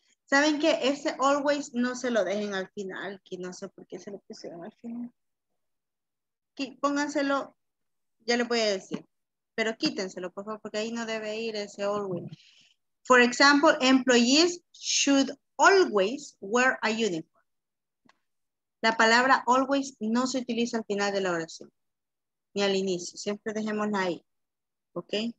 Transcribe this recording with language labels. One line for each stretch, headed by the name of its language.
Spanish: ¿Saben que ese always no se lo dejen al final? Que no sé por qué se lo pusieron al final. Pónganselo, ya les voy a decir, pero quítenselo, por favor, porque ahí no debe ir ese always.
English: For example, employees should always wear a uniform.
Spanish: La palabra always no se utiliza al final de la oración, ni al inicio, siempre dejémosla ahí, ¿ok?